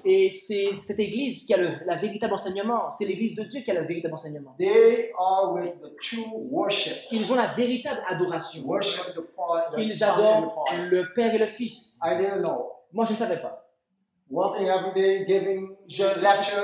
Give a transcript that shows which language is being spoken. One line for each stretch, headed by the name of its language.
French: Et c'est cette église qui a la véritable enseignement. C'est l'église de Dieu qui a le véritable enseignement.
English: They are with the true worship.
French: Ils ont la véritable adoration.
English: Worship the Father, the
French: Ils adorent le Père et le Fils.
English: I didn't know.
French: Moi, je ne savais pas.
English: Walking every day, giving lectures.